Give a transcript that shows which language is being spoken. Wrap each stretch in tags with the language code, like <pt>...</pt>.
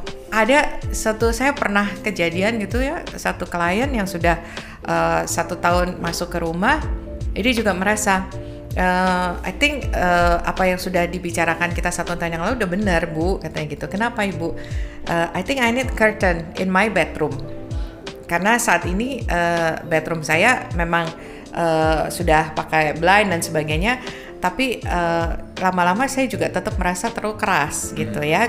<id>Ada satu, saya pernah kejadian gitu ya, satu klien yang sudah satu tahun masuk ke rumah, ini juga merasa</id> <en>I think</en> <id>apa yang sudah dibicarakan kita satu tahun yang lalu udah benar, Bu, katanya gitu. Kenapa, Ibu?</id> <en>I think I need curtain in my bedroom.</en> <id>Karena saat ini bedroom saya memang sudah pakai blind dan sebagainya, tapi lama-lama saya juga tetap merasa terlalu keras gitu ya.</id>